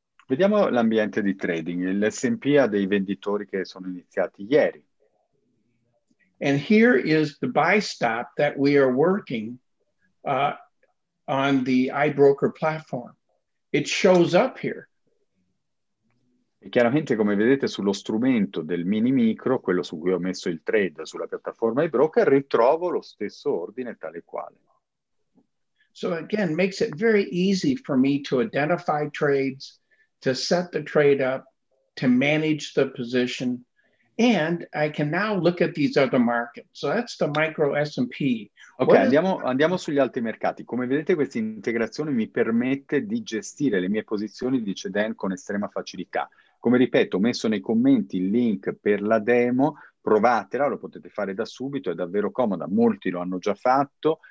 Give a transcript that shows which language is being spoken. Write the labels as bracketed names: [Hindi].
[Italian] Vediamo l'ambiente di trading. L'S&P ha dei venditori che sono iniziati ieri. [English] And here is the buy stop that we are working on the iBroker platform. It shows up here. [Italian] E chiaramente, come vedete, sullo strumento del mini micro, quello su cui ho messo il trade sulla piattaforma iBroker, ritrovo lo stesso ordine tale e quale. [English] So again, makes it very easy for me to identify trades, to set the trade up, to manage the position, and I can now look at these other markets. So that's the micro S&P. [Italian] Ok, andiamo sugli altri mercati. Come vedete, questa integrazione mi permette di gestire le mie posizioni, dice Dan, con estrema facilità. Come ripeto, ho messo nei commenti il link per la demo, provatela, lo potete fare da subito, è davvero comoda, molti lo hanno già fatto.